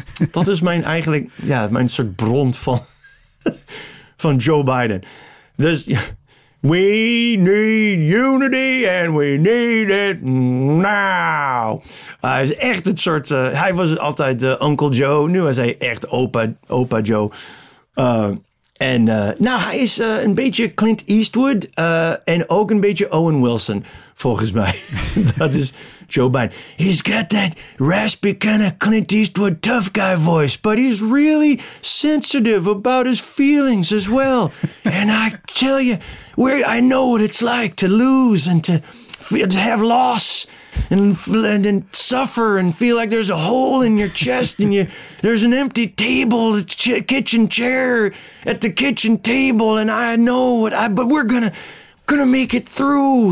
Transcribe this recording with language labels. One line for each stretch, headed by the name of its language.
Dutch: Dat is mijn eigenlijk, mijn soort bron van Joe Biden. Dus
English: we need unity and we need it now.
Dutch: Hij is echt het soort, hij was altijd Uncle Joe. Nu is hij echt opa Joe. Hij is een beetje Clint Eastwood en ook een beetje Owen Wilson, volgens mij. Dat is Joe Biden.
English: He's got that raspy kind of Clint Eastwood tough guy voice, but he's really sensitive about his feelings as well. And I tell you, I know what it's like to lose and to have loss and suffer and feel like there's a hole in your chest and there's an empty table, kitchen chair at the kitchen table, and I know what but we're gonna make it through.